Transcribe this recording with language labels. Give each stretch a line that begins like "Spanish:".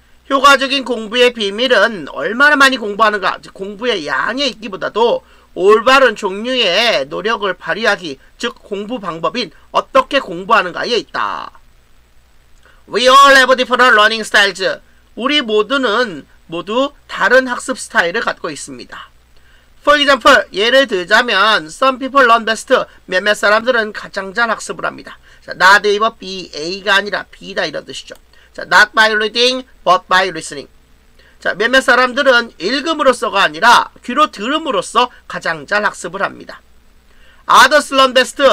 Korean: 효과적인 공부의 비밀은 얼마나 많이 공부하는가, 즉 공부의 양에 있기보다도 올바른 종류의 노력을 발휘하기, 즉 공부 방법인 어떻게 공부하는가에 있다.
English: We all have different learning styles.
Korean: 우리 모두는 모두 다른 학습 스타일을 갖고 있습니다.
English: For example,
Korean: 예를 들자면
English: some people learn best.
Korean: 몇몇 사람들은 가장 잘 학습을 합니다.
English: 자, not able B,
Korean: A가 아니라 B다 이런 뜻이죠.
English: 자, not by reading, but by listening.
Korean: 자, 몇몇 사람들은 읽음으로써가 아니라 귀로 들음으로써 가장 잘 학습을 합니다.
English: Others learn best.